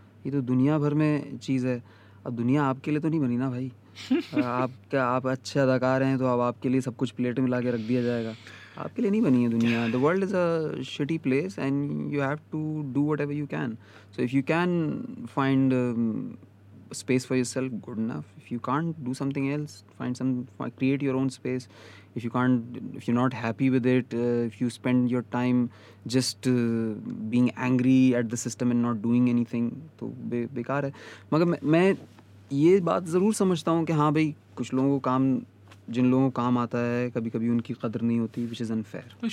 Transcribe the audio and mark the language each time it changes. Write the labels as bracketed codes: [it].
[ur] یہ تو دنیا بھر میں چیز ہے. اب دنیا آپ کے لیے تو نہیں بنی نا بھائی, آپ کا آپ اچھے اداکار ہیں تو اب آپ کے لیے سب کچھ پلیٹ میں لا کے رکھ دیا جائے گا. آپ کے لیے نہیں بنی ہے دنیا. [en] The world is a shitty place and you have to do whatever you can. So if you can find space for yourself, good enough. If you can't do something else, find some, create your own space. If you can't, if you not happy with it, if you spend your time just being angry at the system and not doing anything, [ur] تو بیکار ہے. مگر میں یہ بات ضرور سمجھتا ہوں کہ ہاں بھائی کچھ لوگوں کو کام, جن لوگوں کو کام آتا ہے کبھی کبھی ان کی قدر نہیں ہوتی, [en] Which is unfair.